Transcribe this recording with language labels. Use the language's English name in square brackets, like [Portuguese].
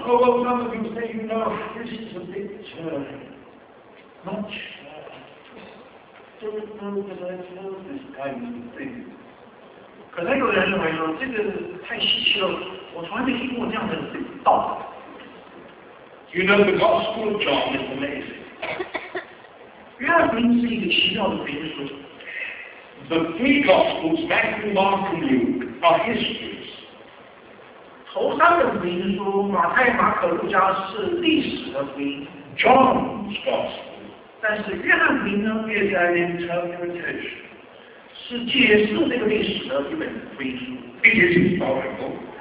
[English] ！Oh, some of you say you know this is a bit much. Don't know that I know this kind of thing. [Chinese] 可能有人认为说这个太稀奇了，我从来没听过这样的道。 [English] You know the Gospel of John is amazing. [Chinese] 约翰福音是一个奇妙的福音书。 [English] The three Gospels, Matthew, Mark, and Luke, are histories. [Chinese] 头三个福音书，马太、马可、路加是历史的福音。 [English] John's Gospel. [Chinese] 但是约翰福音呢，也在 interpretation。是解释这个历史的一本福音书。 [English] It is historical.